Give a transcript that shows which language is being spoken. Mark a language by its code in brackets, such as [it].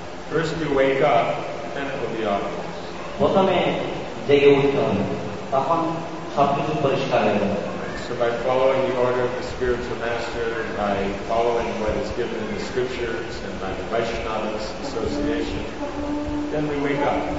[en] First you wake up, then it will be obvious. [bn] প্রথমে জেগে উঠতে হবে, তখন সবকিছু পরিষ্কার হয়ে যাবে। [en] So by following the order of the spiritual master, by following what is given in the scriptures, and by the Vaishnavas association, then we wake up.